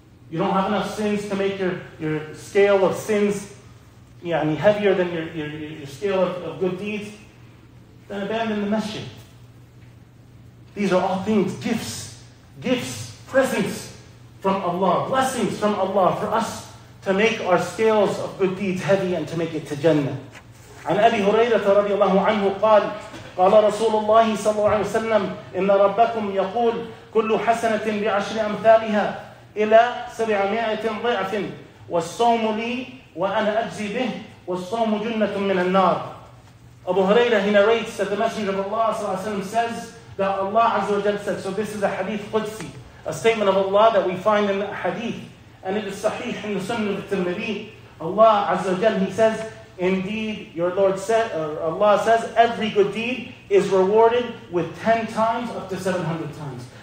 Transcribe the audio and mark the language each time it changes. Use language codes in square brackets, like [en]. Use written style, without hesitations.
[en] You don't have enough sins to make your scale of sins heavier than your scale of good deeds? Then abandon the masjid. These are all things, gifts, presents from Allah, blessings from Allah for us to make our scales of good deeds heavy and to make it to Jannah. [ar] عن أبي هريرة رضي الله عنه قال قال رسول الله صلى الله عليه وسلم إن ربكم يقول كل حسنة بعشر أمثالها إلى 700 ضعف والصوم لي وأنا أجزي به والصوم جنة من النار. [en] أبو هريرة, he narrates that the Messenger of Allah [ar] صلى الله عليه وسلم [en] says that Allah [ar] عز وجل [en] said, so this is a hadith Qudsi, a statement of Allah that we find in the hadith, and it is sahih in the Sunan of Tirmidhi. Allah [ar] عز وجل, [en] he says, indeed, your Lord said, Allah says, every good deed is rewarded with 10 times up to 700 times.